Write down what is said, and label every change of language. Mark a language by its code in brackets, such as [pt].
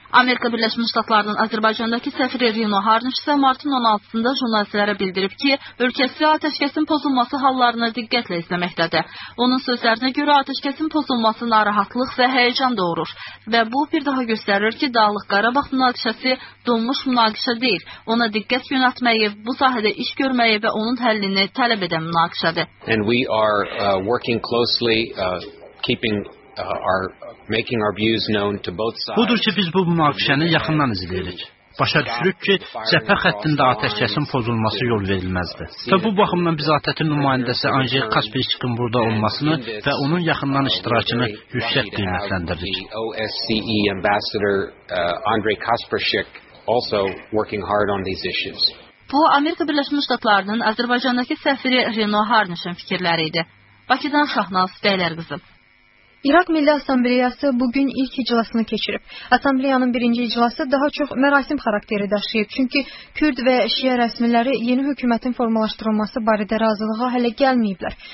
[az] Amerika Birləşmiş Ştatlarının Azərbaycandakı səfiri Rino Harniş isə martın 16-da jurnalistlərə bildirib ki, ölkəsi atəşkəsin pozulması hallarını diqqətlə izləməkdədir. Onun sözlərinə görə atəşkəsin pozulması narahatlıq və həyəcan doğurur və bu bir daha göstərir ki, Dağlıq Qarabağ münaqişəsi donmuş münaqişə deyil. Ona diqqət yönəltməyi, bu sahədə iş görməyi və onun həllini tələb edən münaqişədir. [en] And we are working closely keeping our making our views known to both sides. [az] Budur ki, biz bu münaqişəni yaxından izləyirik. Başa düşürük ki, cəfə xəttində atəşkəsin pozulması yol verilməzdir. Və bu baxımdan biz ATƏT-in nümayəndəsi Anji Kasperşikin burada olmasını və onun yaxından iştirakını yüksək qiymətləndirdik. [en] OSCE ambassador Andrei Kasperşik also working hard on these issues. [az] Bu Amerika Birləşmiş Ştatlarının Azərbaycandakı səfiri Rino Harnişin fikirləri idi. Bakıdan Şahnaz Bəylər qızı. İraq Milli Assambleyası bugün ilk iclasını keçirib. Assambleyanın birinci iclası daha çox mərasim xarakteri daşıyıb, çünki Kürd və Şiə rəsmiləri yeni hökumətin formalaşdırılması barədə razılığa hələ gəlməyiblər.